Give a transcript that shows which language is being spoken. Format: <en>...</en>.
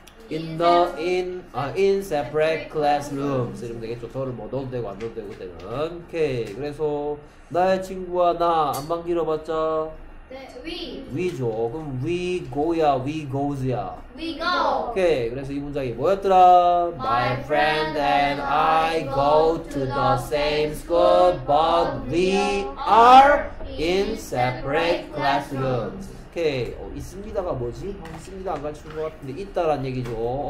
<en>in separate classrooms</en> <ko>이러면 되겠죠. 더를 뭐 넣어도 되고 안 넣어도 되고 그때는. 오케이. 그래서 나의 친구와 나 안만 길어봤자</ko> <en>they</en> <ko>위죠. 그럼</ko> <en>we go</en> <ko>야,</ko> <en>we goes</en> <ko>야.</ko> <en>We go.</en> <ko>오케이. 그래서 이 문장이 뭐였더라?</ko> <en>My friend and I go to the same school, but we are in separate classrooms.</en> <ko>오케이. 어, 있습니다가 뭐지? 어, 있습니다 안 가르친 것 같은데 있다란 얘기죠.</ko>